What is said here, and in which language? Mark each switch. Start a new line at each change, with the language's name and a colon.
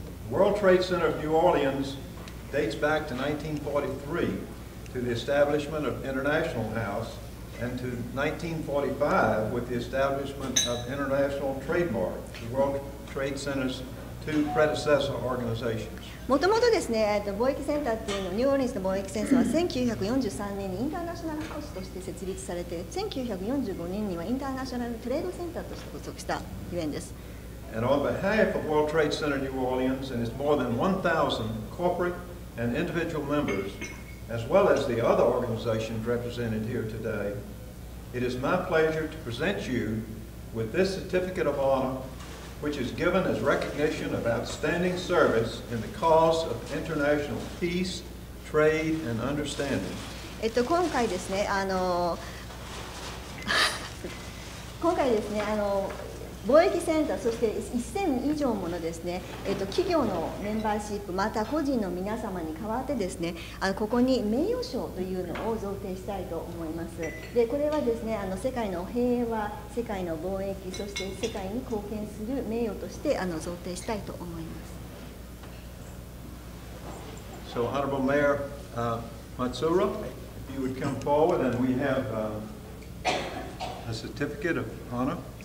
English: World Trade Center of New Orleans dates back to 1943 to the establishment of International House and to 1945 with the establishment of International Trademark, the World Trade Center's two predecessor organizations.
Japanese: もともとですね、貿易センターっていうのニューオーリンズの貿易センターは1943年にインターナショナルハウスとして設立されて1945年にはインターナショナルトレードセンターとして発足したゆえんです。
English: And on behalf of World Trade Center New Orleans and its more than 1,000 corporate and individual members,as well as the other organizations represented here today, it is my pleasure to present you with this certificate of honor, which is given as recognition of outstanding service in the cause of international peace, trade, and understanding.
Japanese: 今回ですね、今回ですね、貿易センター、そして1000以上ものですね、企業のメンバーシップ、また個人の皆様に代わってですね、ここに名誉賞というのを贈呈したいと思います。で、これはですね、世界の平和、世界の貿易、そして世界に貢献する名誉として贈呈したいと思います。
English: So, Honorable Mayor Matsura, if you would come forward, and we have a certificate of honor.